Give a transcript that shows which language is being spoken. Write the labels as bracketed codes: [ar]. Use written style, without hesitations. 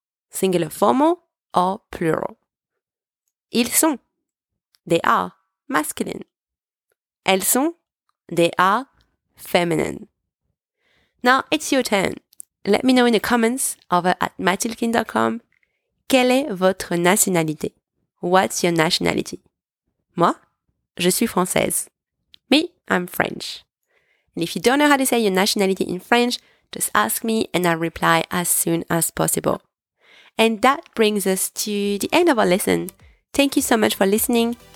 [en] Singular formal or plural. [fr] Ils sont, [en] they are. Masculine. [fr] Elles sont, [en] they are. Feminine. Now it's your turn. Let me know in the comments over at mathilkin.com. [fr] Quelle est votre nationalité? [en] What's your nationality? [fr] Moi, je suis française. [en] Me, I'm French. And if you don't know how to say your nationality in French, just ask me and I'll reply as soon as possible. And that brings us to the end of our lesson. Thank you so much for listening.